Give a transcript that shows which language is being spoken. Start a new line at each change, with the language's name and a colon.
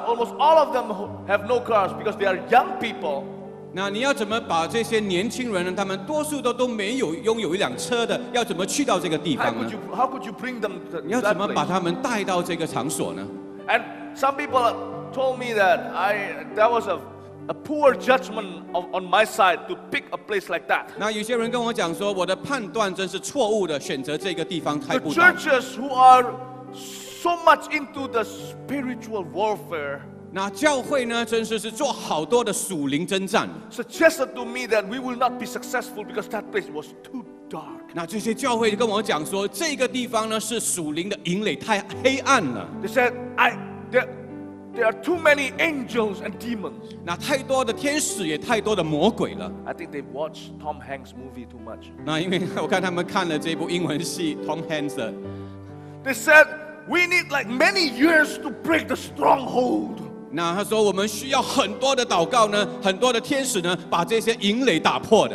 English: Almost all of them have no cars because they are young people.
Chinese: 那你要怎么把这些年轻人呢？他们多数都没有拥有一辆车的，要怎么去到这个地方呢
English: ？How could you bring them?
Chinese: 你要怎么把他们带到这个场所呢
English: ？And some people told me that was a poor judgment on my side to pick a place like that.
Chinese: 那有些人跟我讲说，我的判断真是错误的，选择这个地方开布道。
English: The churches who are so much into the spiritual warfare
Chinese: 那教会呢，真是是做好多的属灵征战。
English: Suggested to me that we will not be successful because that place was too dark.
Chinese: 那这些教会跟我讲说，这个地方呢是属灵的营垒太黑暗了。
English: They said, there are too many angels and demons.
Chinese: 那太多的天使也太多的魔鬼了。
English: I think they watched Tom Hanks movie too much.
Chinese: 那因为我看他们看了这部英文戏 Tom Hanks 的。
English: They said we need like many years to break the stronghold.
Chinese: 那他说我们需要很多的祷告呢，很多的天使呢，把这些营垒打破的。